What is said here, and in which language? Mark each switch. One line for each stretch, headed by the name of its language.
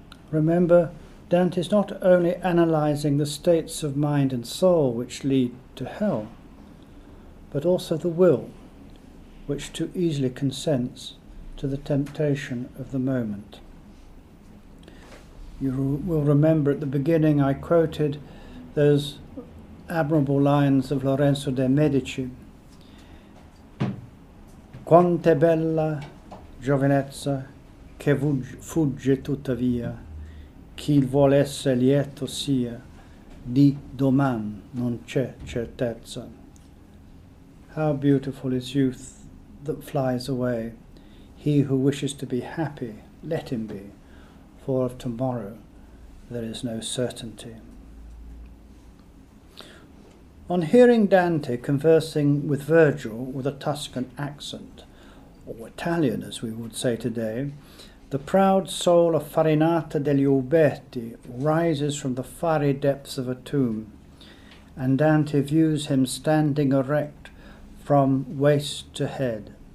English: Remember, Dante is not only analysing the states of mind and soul which lead to hell, but also the will, which too easily consents to the temptation of the moment. You will remember at the beginning I quoted those admirable lines of Lorenzo de' Medici.
Italian: Quant'è bella giovinezza che fugge tuttavia, chi vuol essere lieto sia, di domani non c'è certezza.
English: How beautiful is youth that flies away, he who wishes to be happy let him be, for of tomorrow there is no certainty. On hearing Dante conversing with Virgil with a Tuscan accent, or Italian as we would say today, the proud soul of Farinata degli Uberti rises from the fiery depths of a tomb, and Dante views him standing erect from waist to head.